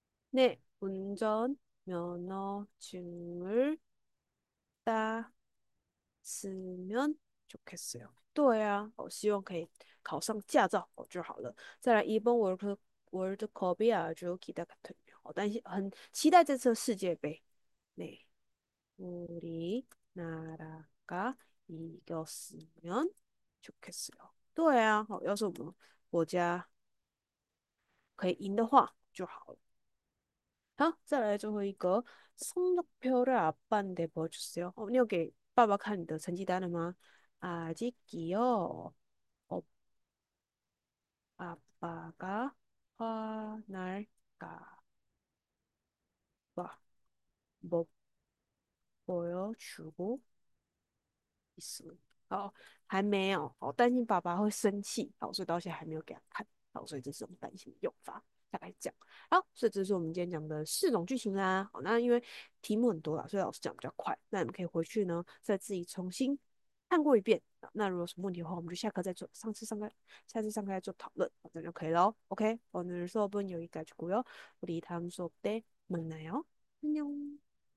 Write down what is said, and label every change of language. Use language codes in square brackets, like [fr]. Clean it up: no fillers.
[ko] 네, 운전, 면허, 증을 다 쓰면 좋겠어요. [zh] 对呀、啊，我希望可以考上驾照哦就好了。 [ko] 再来，이번 월드 컵이 아주 기대가 되네요. [zh] 但是很期待这次世界杯。 [ko] 네, 우리 나라가 이겼으면 좋겠어요. [zh] 对呀、啊，要是我们国家可以赢的话就好了。好，再来最后一个， [ko] 성적표를아빠한테 보여 주세요. [zh] 어, 你有给爸爸看你的成绩单了吗？ [ko] 아직 기억 아빠가 화날까 봐못 보여주고 있어. [zh] 어, 还没有。我、哦、担心爸爸会生气，好，所以到现在还没有给他看。好，所以这是我们担心的用法，大概是这样。好，所以这是我们今天讲的四种句型啦。好，那因为题目很多啦，所以老师讲比较快。那你们可以回去呢，再自己重新看过一遍。那如果有什么问题的话，我们就下课再做。下次上课再做讨论，这样就可以了。 [ko] OK，오늘 수업은 여기까지고요. 우리 다음 수업 때 만나요. 안녕.